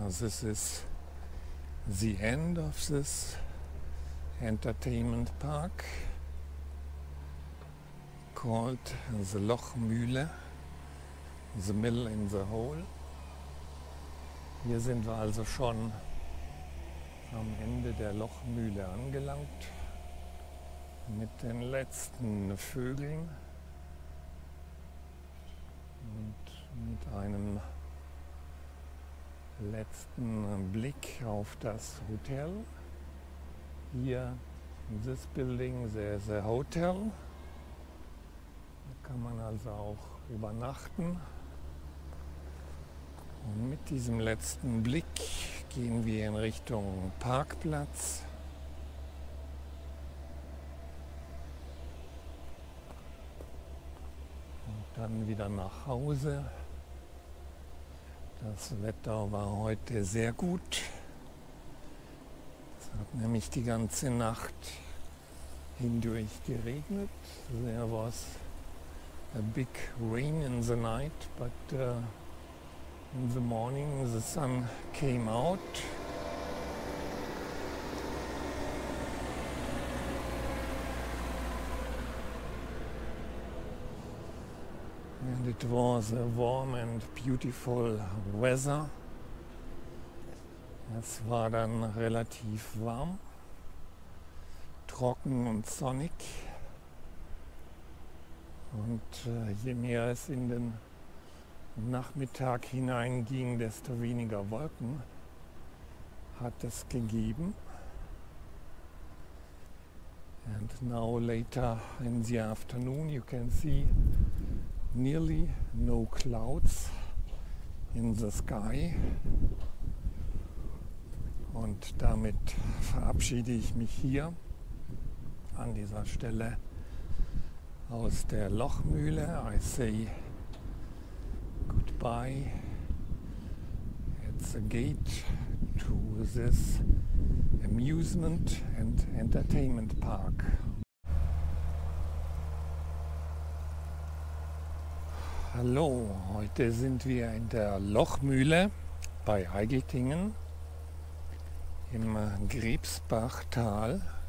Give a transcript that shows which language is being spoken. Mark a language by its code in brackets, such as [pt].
[en] This is the end of this entertainment park called the Lochmühle, the mill in the hole. [de] Hier sind wir also schon am Ende der Lochmühle angelangt mit den letzten Vögeln. Und mit einem letzten Blick auf das Hotel. [en] Hier in this building there's a hotel. [de] Da kann man also auch übernachten. Und mit diesem letzten Blick gehen wir in Richtung Parkplatz. Dann wieder nach Hause. Das Wetter war heute sehr gut. Es hat nämlich die ganze Nacht hindurch geregnet. [en] There was a big rain in the night, but in the morning the sun came out. And it was a warm and beautiful weather. [de] Es war dann relativ warm, trocken und sonnig. Und je mehr es in den Nachmittag hineinging, desto weniger Wolken hat es gegeben. [en] And now later in the afternoon you can see nearly no clouds in the sky. [de] Und damit verabschiede ich mich hier an dieser Stelle aus der Lochmühle. [en] I say goodbye at the gate to this amusement and entertainment park. [de] Hallo, heute sind wir in der Lochmühle bei Heigeltingen im Grebsbachtal.